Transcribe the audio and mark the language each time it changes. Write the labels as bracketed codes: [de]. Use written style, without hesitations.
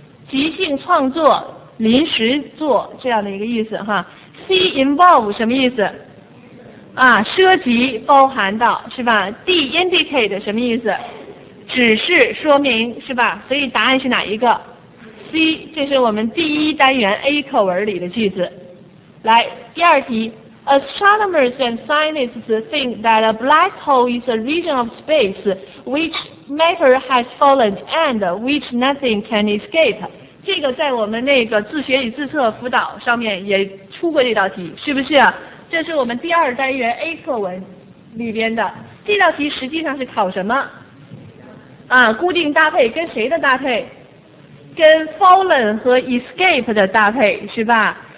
[zh] 即兴创作，临时做，这样的一个意思哈。 C involve 什么意思？啊，涉及包含到是吧。 D indicate 什么意思？指示说明是吧。所以答案是哪一个？ C， 这是我们第一单元 A 课文里的句子。来第二题， [en] Astronomers and scientists think that a black hole is a region of space which matter has fallen and which nothing can escape。 [zh] 这个在我们那个自学与自测辅导上面也出过这道题是不是？这是我们第二单元 A 课文里边的。这道题实际上是考什么啊？固定搭配，跟谁的搭配？跟 fallen 和 escape 的搭配是吧。